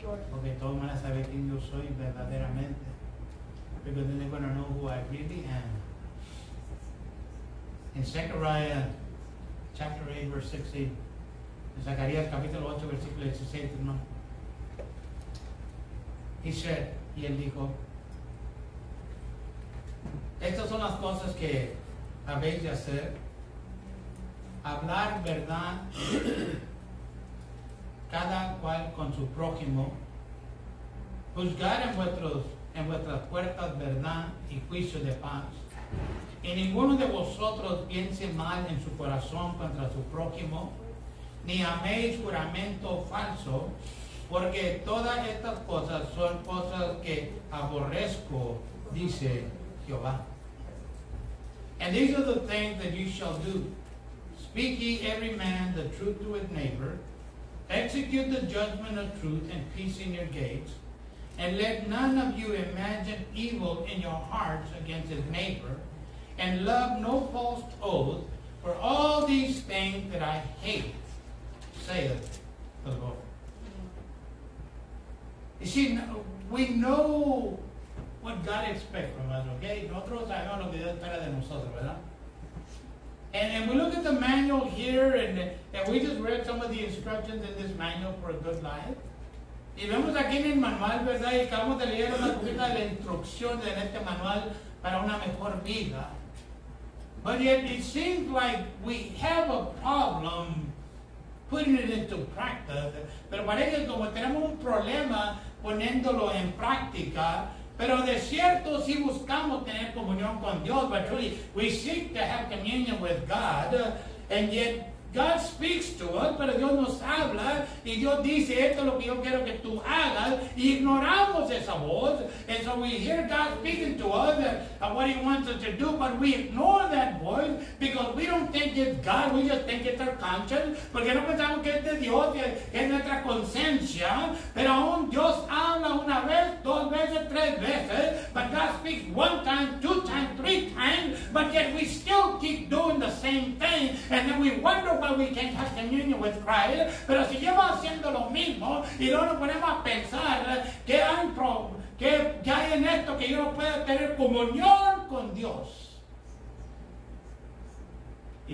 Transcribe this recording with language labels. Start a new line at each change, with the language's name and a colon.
Spanish: Porque todos van a saber quién yo soy verdaderamente.
English: Because then they're going to know who I really am. In Zechariah chapter 8, verse 16.
Spanish: In Zacharias capítulo 8, versículo 16, hermano.
English: He said,
Spanish: y él dijo, estas son las cosas que habéis de hacer. Hablar verdad cada cual con su prójimo. Juzgar en vuestras puertas verdad y juicio de paz. Y ninguno de vosotros piense mal en su corazón contra su prójimo, ni améis juramento falso, porque todas estas cosas son cosas que aborrezco, dice Jehová.
English: And these are the things that you shall do. Speak ye every man the truth to his neighbor, execute the judgment of truth and peace in your gates, and let none of you imagine evil in your hearts against his neighbor, and love no false oath, for all these things that I hate, saith the Lord. You see, we know what God expects from us, okay?
Spanish: Nosotros sabemos lo que Dios espera de nosotros, ¿verdad?
English: And we look at the manual here, and we just read some of the instructions in this manual for a good life.
Spanish: Y vemos aquí en el manual, ¿verdad? Y acabamos de leer una poquita de la instrucción en este manual para una mejor vida.
English: But yet it seems like we have a problem putting it into practice.
Spanish: Pero parece como tenemos un problema poniéndolo en práctica. Pero de cierto sí buscamos tener comunión con Dios.
English: But truly, we seek to have communion with God. And yet God speaks to us,
Spanish: pero Dios nos habla y Dios dice, esto es lo que yo quiero que tú hagas, y ignoramos esa voz.
English: And so we hear God speaking to us of what he wants us to do, but we ignore that voice because we don't think it's God, we just think it's our conscience,
Spanish: porque no pensamos que es de Dios, que es nuestra conciencia. Pero aún Dios habla una vez, dos veces, tres veces,
English: but God speaks one time, two times, three times, but yet we still keep doing the same thing, and then we wonder why we can't have communion with Christ.
Spanish: Pero si lleva haciendo lo mismo y no nos ponemos a pensar que hay en esto que yo no puedo tener comunión con Dios, y